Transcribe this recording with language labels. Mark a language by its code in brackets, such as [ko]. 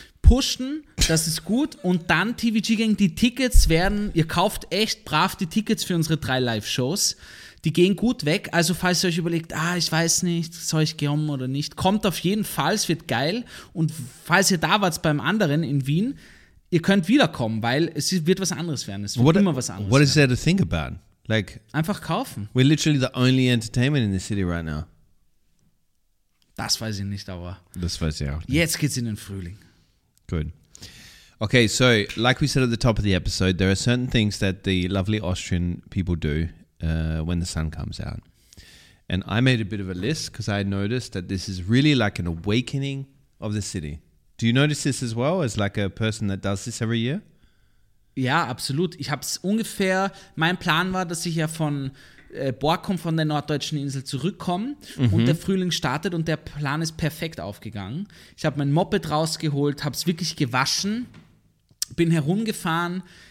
[de] Pushen, das ist gut. Und dann, TVG Gang, die Tickets werden, ihr kauft echt brav die Tickets für unsere 3 Live-Shows. Die gehen gut weg. Also falls ihr euch überlegt, ah, ich weiß nicht, soll ich kommen oder nicht, kommt auf jeden Fall, es wird geil. Und falls ihr da wart beim anderen in Wien, ihr könnt wiederkommen, weil es wird was anderes werden. Es wird immer was anderes werden. [en] What is there to think about? Like, [de] einfach kaufen. [en] We're literally the only entertainment in the city right now. [de] Das weiß ich nicht, aber... Das weiß ich auch nicht. Jetzt geht's in den Frühling. [en] Good. Okay, so, like we said at the top of the episode, there are certain things that the lovely Austrian people do when the sun comes out. And I made a bit of a list because I noticed that this is really like an awakening of the city. Do you notice this as well as like a person that does this every year? [de] Ja, absolut. Ich habe es ungefähr, mein Plan war, dass ich ja von Borkum, von der norddeutschen Insel zurückkomme und der Frühling startet und der Plan ist perfekt aufgegangen. Ich habe mein Moped rausgeholt, habe es wirklich gewaschen, bin herumgefahren.